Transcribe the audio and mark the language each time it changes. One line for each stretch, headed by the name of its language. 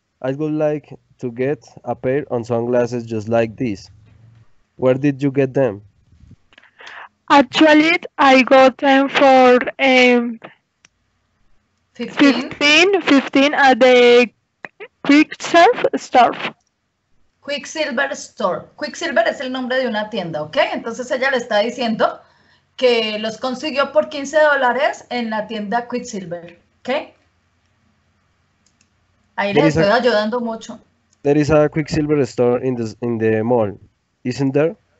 English: I would like to get a pair of sunglasses just like this. Where did you get them? Actually, I got them for 15 at the Quicksilver Store.
Spanish: Quicksilver es el nombre de una tienda, ¿ok? Entonces ella le está diciendo que los consiguió por $15 en la tienda Quicksilver, ¿ok? Ahí les estoy ayudando mucho.
English: There is a Quicksilver store in the mall, isn't there?